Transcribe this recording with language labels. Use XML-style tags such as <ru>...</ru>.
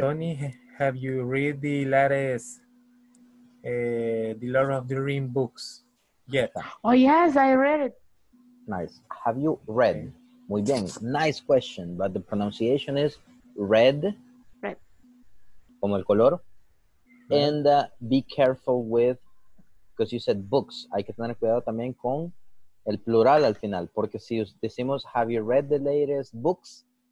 <en>Tony, have you read the latest The Lord of the Rings books yet? Oh, yes, I read it. Nice. Have you read?</en> <es>Muy bien.</es> <en>Nice question, but the pronunciation is red. Red.</en> <es>Como el color. Red.</es> <en>And be careful with, because you said books.</en> <es>Hay que tener cuidado también con el plural al final. Porque si decimos,</es> <en>have you read the latest books?</en>